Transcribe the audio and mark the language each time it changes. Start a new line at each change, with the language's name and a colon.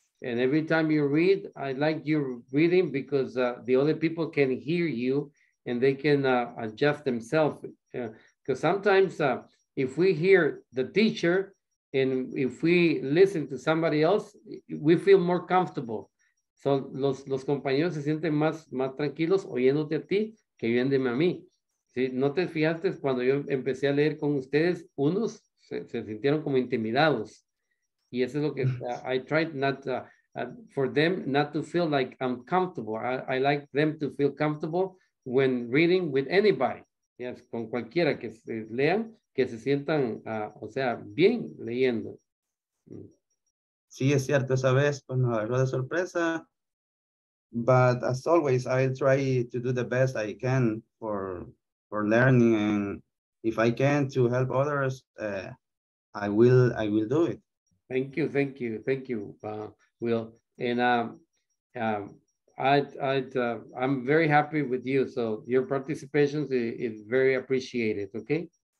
English: And every time you read, I like your reading because the other people can hear you and they can adjust themselves. Because sometimes if we hear the teacher and if we listen to somebody else, we feel more comfortable.
Spanish: So los compañeros se sienten más tranquilos oyéndote a ti que oyéndome a mí. ¿Sí? ¿No te fijaste cuando yo empecé a leer con ustedes? Unos se sintieron como intimidados. Y eso es lo que
English: I tried for them not to feel like I'm comfortable. I like them to feel comfortable when reading with anybody.
Spanish: Yes, con cualquiera que se lean, que se sientan, o sea, bien leyendo. Sí, es cierto, esa vez, pues nos agarró de sorpresa.
English: But as always, I try to do the best I can for learning. And if I can to help others, I will do it. Thank you, Will. And I'm very happy with you. So your participation is very appreciated, okay?